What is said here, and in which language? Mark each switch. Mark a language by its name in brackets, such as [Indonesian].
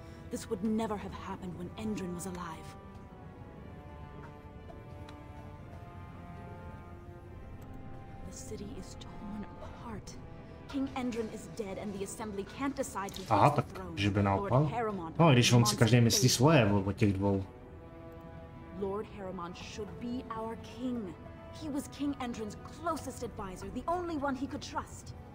[English] This would never have happened when Endrin was alive. The city is torn apart. King Endrin is dead and the assembly can't decide who takes the throne. [Czech] Že by naopak. No, když on si každý myslí svoje o těch dvou. [English] Lord Harrowmont should be our king. He was King Endrin's closest advisor, the only one he could trust.